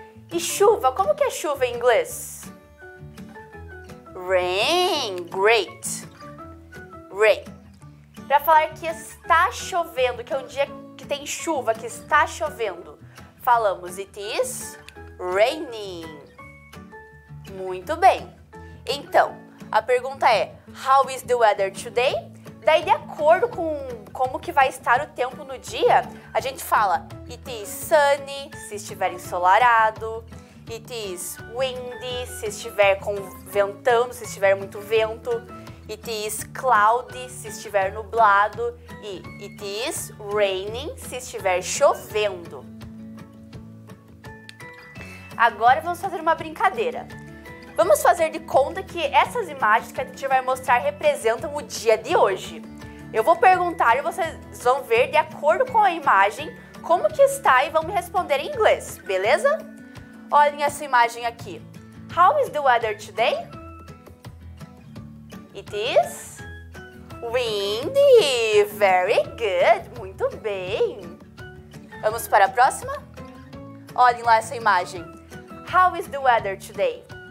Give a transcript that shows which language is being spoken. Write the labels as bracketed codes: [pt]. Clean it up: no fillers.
[pt] E chuva, como que é chuva em inglês? [en] Rain, great. Rain. [pt] Para falar que está chovendo, que é um dia que tem chuva, que está chovendo, falamos [en] it is raining. [pt] Muito bem. Então, a pergunta é, [en] how is the weather today? [pt] Daí, de acordo com como que vai estar o tempo no dia, a gente fala [en] it is sunny, [pt] se estiver ensolarado, [en] it is windy, [pt] se estiver ventando, se estiver muito vento, [en] it is cloudy, [pt] se estiver nublado, e [en] it is raining, [pt] se estiver chovendo. Agora vamos fazer uma brincadeira. Vamos fazer de conta que essas imagens que a gente vai mostrar representam o dia de hoje. Eu vou perguntar e vocês vão ver de acordo com a imagem como que está e vão me responder em inglês, beleza? Olhem essa imagem aqui. [en] How is the weather today? It is windy. Very good. [pt] Muito bem. Vamos para a próxima? Olhem lá essa imagem. [en] How is the weather today?